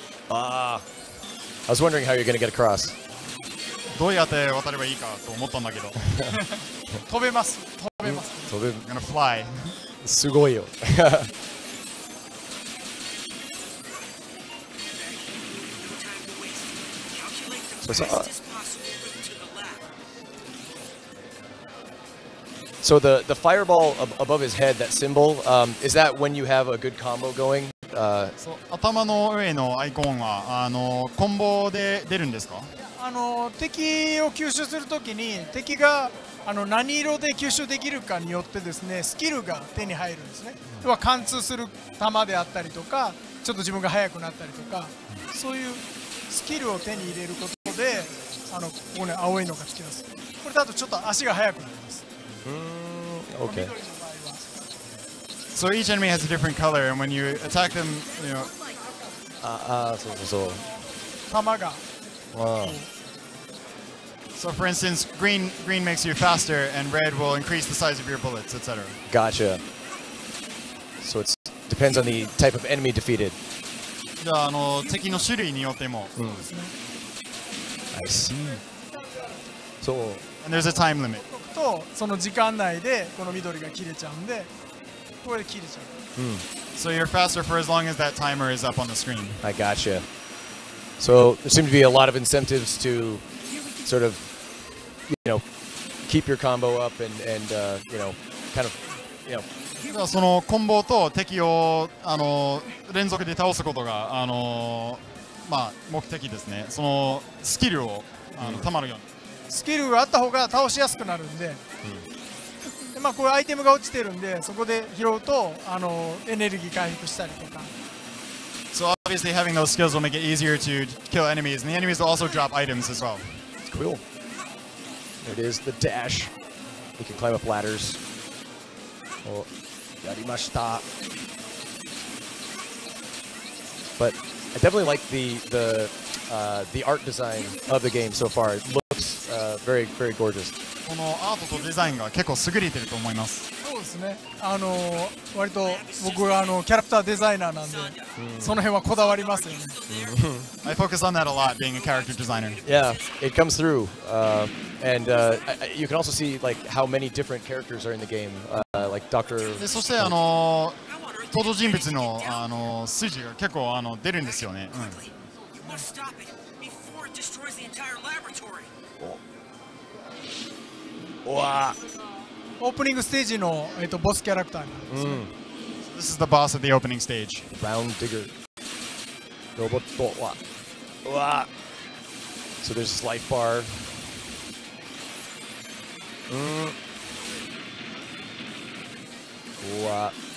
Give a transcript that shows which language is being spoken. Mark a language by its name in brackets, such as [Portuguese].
[English] I was wondering how you're going to get across. [Japanese] どうやって渡ればいいかと思ったんだけど飛べます、飛べます飛べる、 [English] I'm gonna fly [Japanese] すごいよ [English] So the fireball above his head, that symbol, is that when you have a good combo going? [Japanese] 頭の上のアイコンはあのコンボで出るんですか？あの敵を吸収するときに敵があの何色で吸収できるかによってですね、スキルが手に入るんですね、うん、貫通する弾であったりとか、ちょっと自分が速くなったりとか、そういうスキルを手に入れることで、あのここね、青いのがつきます。これだとちょっと足が速くなります。うーん、 OK。 [English] So each enemy has a different color, and when you attack them, you know... [Japanese] そう弾が、 [English] wow. So for instance, green makes you faster, and red will increase the size of your bullets, etc. Gotcha. So it depends on the type of enemy defeated. [Japanese] じゃあ、あの、敵の種類によっても。そうですね。 [English] I see. So... And there's a time limit. [Japanese] と、その時間内で、この緑が切れちゃうんで、これで切れちゃう。 [English] So you're faster for as long as that timer is up on the screen. I gotcha. So there seem to be a lot of incentives to sort of, you know, keep your combo up and you know, kind of, you know. [Japanese] そのコンボと敵をあの連続で倒すことがあの、まあ、目的ですね。そのスキルをあの、溜まるように。スキルがあった方が倒しやすくなるんで、でまあ、こういうアイテムが落ちてるんで、そこで拾うとあのエネルギー回復したりとか。 [English] So obviously having those skills will make it easier to kill enemies, and the enemies will also drop items as well. It's cool. There it is, the dash. You can climb up ladders. [Japanese] Oh, yarimashita. [English] But I definitely like the art design of the game so far. It looks very, very gorgeous. [Japanese] このアートとデザインが結構優れてると思います。そうですね、あの割と僕はあのキャラクターデザイナーなんで、その辺はこだわりますよね。 [English] I focus on that a lot, being a character designer. Yeah, it comes through. And you can also see like how many different characters are in the game. Like Dr. [Japanese] で、そしてあの登場人物のあの数字が結構あの出るんですよね。うん。うわ。オープニングステージの、ボスキャラクターなんですね。うん。 [English] This is the boss of the opening stage. [Japanese] Round Digger. ロボット。うわ。うわ。 [English] So there's this life bar. うん。うわ。